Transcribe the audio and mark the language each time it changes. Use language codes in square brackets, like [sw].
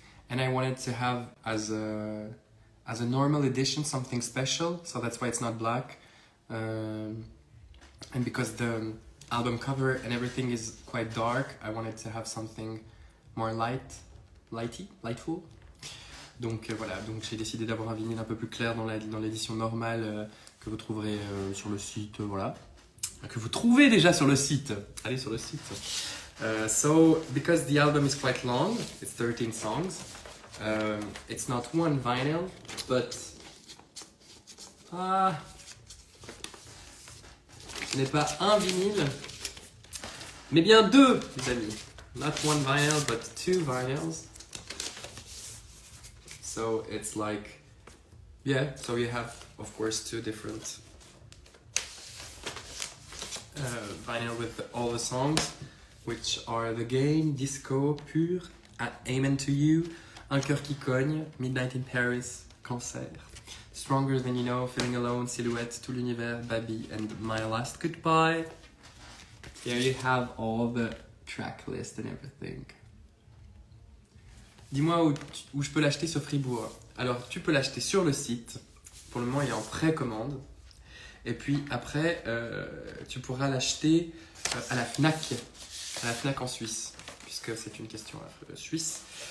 [en] And I wanted to have as a normal edition, something special, so that's why it's not black. And because the album cover and everything is quite dark, I wanted to have something more lightful. [fr] Donc voilà, donc j'ai décidé d'avoir un vinyle un peu plus clair dans l'édition normale que vous trouverez sur le site, voilà. Que vous trouvez déjà sur le site. Allez sur le site. [en] So, because the album is quite long, it's 13 songs, it's not one vinyl, but [fr] ce n'est pas un vinyle, mais bien deux, mes amis. [en] Not one vinyl, but two vinyls. So it's like, yeah. So you have, of course, two different vinyl with all the songs, which are The Game, Disco, Pure, Amen to You, Un Cœur qui Cogne, Midnight in Paris, Cancer, Stronger Than You Know, Feeling Alone, Silhouette, Tout l'Univers, Baby, and My Last Goodbye. Here you have all the track list and everything. [fr] Dis-moi où je peux l'acheter sur Fribourg. Alors, tu peux l'acheter sur le site. Pour le moment, il est en précommande. Et puis après, tu pourras l'acheter à la FNAC. À la FNAC en Suisse, puisque c'est une question suisse.